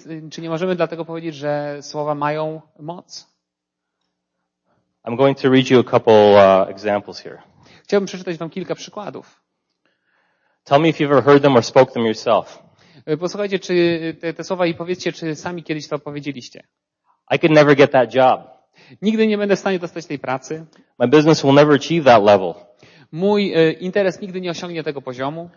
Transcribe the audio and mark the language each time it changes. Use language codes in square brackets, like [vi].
[pl] Czy nie możemy dlatego powiedzieć, że słowa mają moc? [en] I'm going to read you a couple examples here. [pl] Chciałbym przeczytać wam kilka przykładów. [en] Tell me if you've ever heard them or spoke them yourself. [pl] Posłuchajcie, czy te słowa i powiedzcie, czy sami kiedyś to powiedzieliście. [en] I could never get that job. [pl] Nigdy nie będę w stanie dostać tej pracy. [en] My business will never achieve that level. [pl] Mój interes nigdy nie osiągnie tego poziomu.